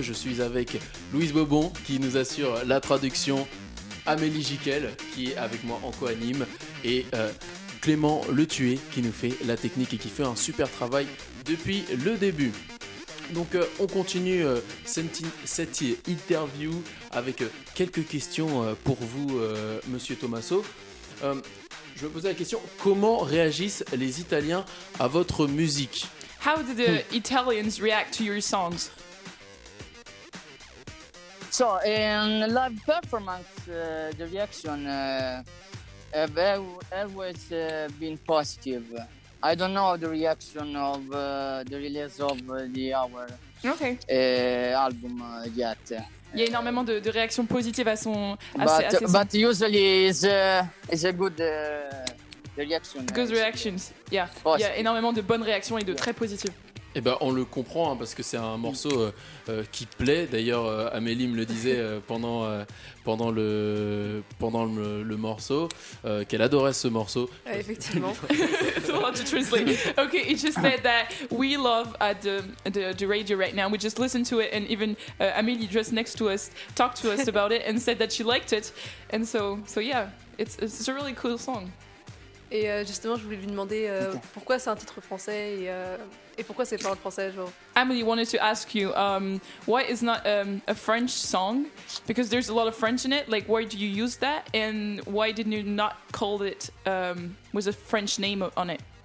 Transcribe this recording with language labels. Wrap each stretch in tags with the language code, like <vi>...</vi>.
<fr>Je suis avec Louise Bobon qui nous assure la traduction, Amélie Jiquel qui est avec moi en co-anime et Clément Letué qui nous fait la technique et qui fait un super travail depuis le début. Donc on continue cette interview avec quelques questions pour vous, Monsieur Tommaso. Je vais poser la question, comment réagissent les Italiens à votre musique?</fr> <en>How do the Italians react to your songs? So, in live performance, the reaction have always been positive. I don't know the reaction of the release of the our album yet.</en> <fr>Il y a énormément de réactions positives à son</fr> <en>But usually is a good reactions. Yeah.</en> <fr>Positive. Il y a énormément de bonnes réactions et de très positives. Et ben on le comprend hein, parce que c'est un morceau qui plaît. D'ailleurs Amélie me le disait pendant le morceau qu'elle adorait ce morceau. Effectivement.</fr> <en>So to translate. Okay, it just said that we love at the radio right now. We just listened to it and even Amélie just next to us talked to us about it and said that she liked it. And so yeah, it's a really cool song.</en> <fr>Et justement, je voulais lui demander pourquoi c'est un titre français et pourquoi c'est pas en français, genre.</fr> <en>Emily wanted to ask you why is not a French song, because there's a lot of French in it. Like, why do you use that and why didn't you not call it with a French name on it?</en>